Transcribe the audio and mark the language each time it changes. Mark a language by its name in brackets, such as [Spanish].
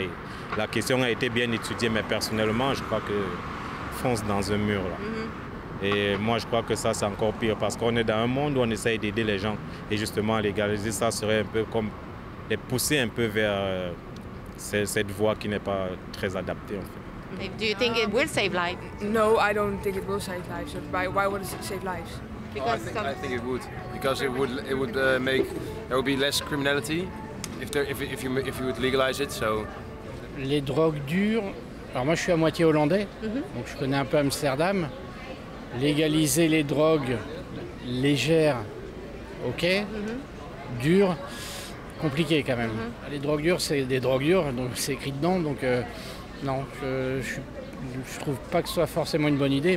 [French] Et la question a été bien étudiée, mais personnellement, je crois que fonce dans un mur. Là. Mm-hmm. Et moi, je crois que ça, c'est encore pire, parce qu'on est dans un monde où on essaye d'aider les gens. Et justement, légaliser ça serait un peu comme les pousser un peu vers cette voie qui n'est pas très adaptée, en fait. [English] Do you think it will save lives? No, I don't think it will save lives. Why would it save lives? I think it would, because there would be less criminality if you would legalize it. So [French] les drogues dures. Alors moi je suis à moitié hollandais, mm-hmm. donc je connais un peu Amsterdam. Légaliser les drogues légères, ok. Mm-hmm. Dures, compliqué quand même. Mm-hmm. Les drogues dures, c'est des drogues dures, donc c'est écrit dedans. Donc je trouve pas que ce soit forcément une bonne idée.